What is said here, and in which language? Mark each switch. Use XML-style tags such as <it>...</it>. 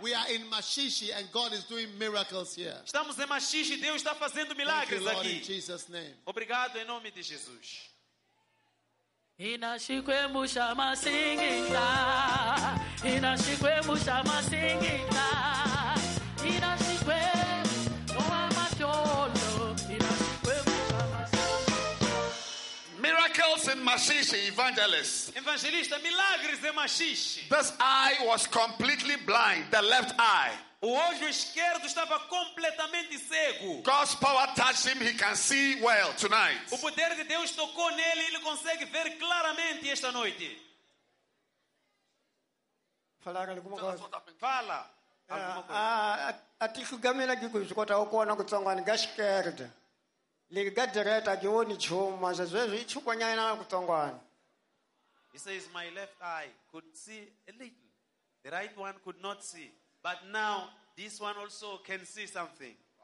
<en>We are in Maxixe and God is doing miracles here.</en> <pt>Estamos em Maxixe e Deus está fazendo milagres</pt> <en>Thank</en> <pt>aqui.</pt> <en>You, Lord, in Jesus' name.</en> <pt>Obrigado em nome de Jesus.</pt> <en>Miracles in Maxixe, evangelist.</en> <pt>Evangelista, milagres em Maxixe.</pt> <en>This eye was completely blind, the left eye.</en> <pt>O olho esquerdo estava completamente cego.</pt> <en>God's power touched him, he can see well tonight.</en> <pt>O poder de Deus tocou nele, ele consegue ver claramente esta noite. Fala alguma coisa. Fala. Atikugamela que coisa, quando eu conheço o tongue, eu esquerdo.</pt> <en>He says, my left eye could see a little. The right one could not see. But now, this one also can see something.</en>